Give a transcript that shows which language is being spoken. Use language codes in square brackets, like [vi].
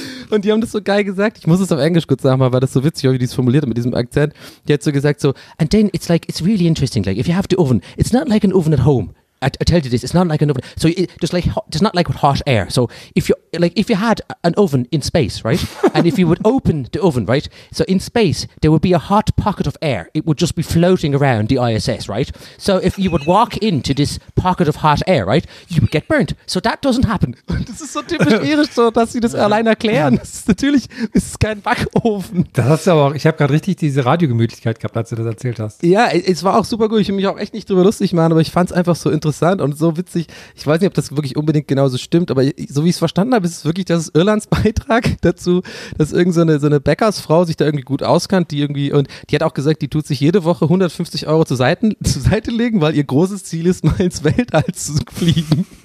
[de] Und die haben das so geil gesagt, ich muss es auf Englisch kurz sagen, weil das so witzig, wie die es formuliert hat mit diesem Akzent. Die hat so gesagt so, [en] and then it's like, it's really interesting, like if you have the oven, it's not like an oven at home. I tell you this, it's not like an oven. So it's not like with hot air. So if you had an oven in space, right? And if you would open the oven, right? So in space, there would be a hot pocket of air. It would just be floating around the ISS, right? So if you would walk into this pocket of hot air, right? You would get burnt. So that doesn't happen. [de] Das ist so typisch irisch, so, dass sie das allein erklären. Ja. Das ist natürlich, es ist kein Backofen. Das hast du aber auch, ich habe gerade richtig diese Radiogemütlichkeit gehabt, als du das erzählt hast. Ja, es war auch super gut. Ich will mich auch echt nicht drüber lustig machen, aber ich fand es einfach so interessant und so witzig. Ich weiß nicht, ob das wirklich unbedingt genauso stimmt, aber so wie ich es verstanden habe, ist es wirklich, dass es Irlands Beitrag dazu, dass irgendeine so eine Bäckersfrau sich da irgendwie gut auskannt, die irgendwie, und die hat auch gesagt, die tut sich jede Woche 150 Euro zur Seite legen, weil ihr großes Ziel ist, mal ins Weltall zu fliegen.